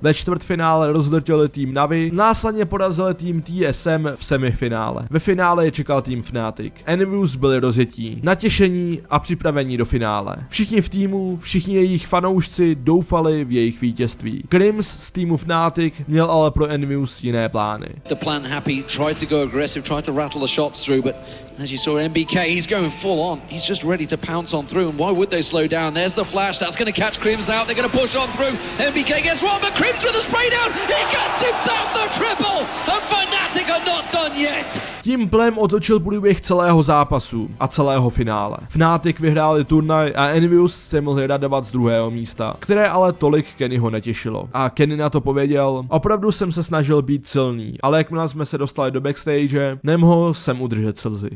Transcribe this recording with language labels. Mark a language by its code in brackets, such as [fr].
[cs] Ve čtvrtfinále rozdrtili tým Navi, následně porazili tým TSM v semifinále. Ve finále je čekal tým Fnatic. Envious byli rozjetí, natěšení a připravení do finále. Všichni v týmu, všichni jejich fanoušci doufali v jejich vítězství. Krims z týmu Fnatic měl ale pro Envious jiné plány. [en] The plan happy, tried to go aggressive, tried to rattle the shots through, but as you saw MBK, he's going full on. He's just ready to pounce on through, and why would they slow down? There's the flash, that's gonna catch Krims out, they're gonna push on through. MBK gets one, but Krims with a spray down, he gets himself the triple, and Fnatic are not done yet. [cs] Tím plem otočil průběh celého zápasu a celého finále. Fnatic vyhráli turnaj a Envious se mohli radovat z druhého místa, které ale tolik Kennyho netěšilo. A Kenny na to pověděl, opravdu jsem se snažil být silný, ale jakmile jsme se dostali do backstage, nemohl jsem udržet slzy.